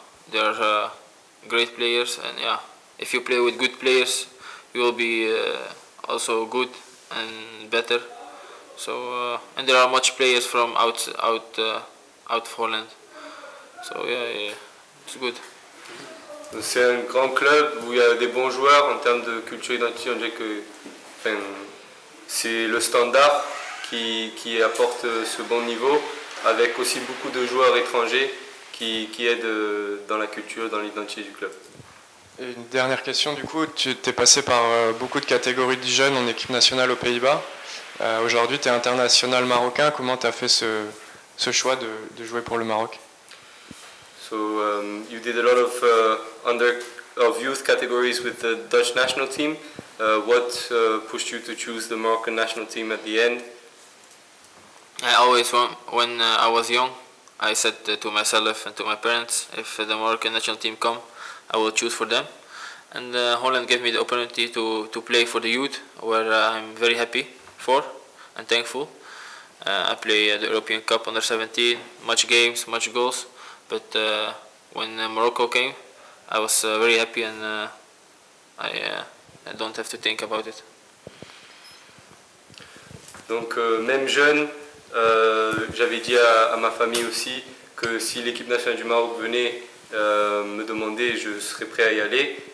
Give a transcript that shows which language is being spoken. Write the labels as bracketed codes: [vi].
[en] There are great players, and yeah, if you play with good players, you will be also good and better. So, and there are much players from out of Holland. So yeah, it's good. [fr] C'est un grand club où il y a des bons joueurs en termes de culture et d'identité. On dirait que enfin, c'est le standard qui apporte ce bon niveau, avec aussi beaucoup de joueurs étrangers qui aident dans la culture, dans l'identité du club. Et une dernière question, du coup, tu es passé par beaucoup de catégories de jeunes en équipe nationale aux Pays-Bas. Aujourd'hui, tu es international marocain. Comment tu as fait ce choix de jouer pour le Maroc? [en] So you did a lot of youth categories with the Dutch national team. What pushed you to choose the Moroccan national team at the end? I always when I was young, I said to myself and to my parents, if the Moroccan national team come, I will choose for them. And Holland gave me the opportunity to play for the youth, where I'm very happy for and thankful. I play the European Cup under 17, much games, much goals. But when Morocco came, I was very happy, and I don't have to think about it. [fr] Donc même jeune, j'avais dit à ma famille aussi que si l'équipe nationale du Maroc venait me demander, je serais prêt à y aller.